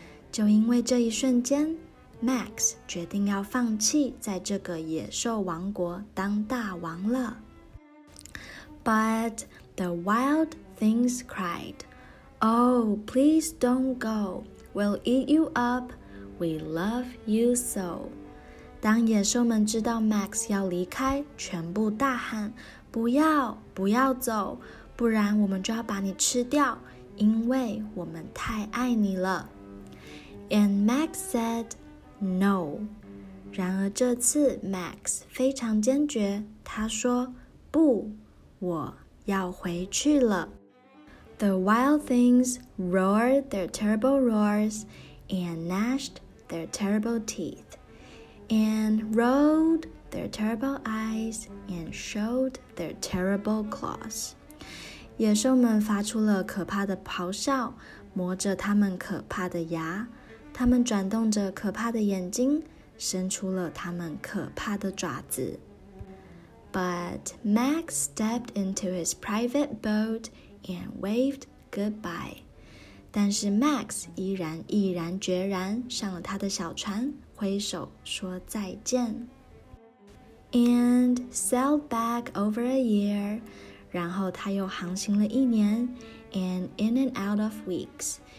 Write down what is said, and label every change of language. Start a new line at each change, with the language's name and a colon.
Chinese: 就因为这一瞬间 ，Max 决定要放弃在这个野兽王国当大王了。
English: But the wild things cried, "Oh, please don't go! We'll eat you up. We love you so."
Chinese: 当野兽们知道 Max 要离开，全部大喊：“不要，不要走，不然我们就要把你吃掉，因为我们太爱你了。”
English: And Max said, "No."
Chinese: 然而这次 Max 非常坚决，他说，不，我要回去了。
English: The wild things roared their terrible roars and gnashed their terrible teeth and rolled their terrible eyes and showed their terrible claws.
Chinese: 野兽们发出了可怕的咆哮，磨着他们可怕的牙。他们转动着可怕的眼睛，伸出了他们可怕的爪子。
English: But Max stepped into his private boat and waved goodbye.
Chinese: 但是 Max 依然毅然决然上了他的小船，挥手说再见。
English: And sailed back over a year.
Chinese: 然后他又航行了一年
English: ，and in and out of weeks.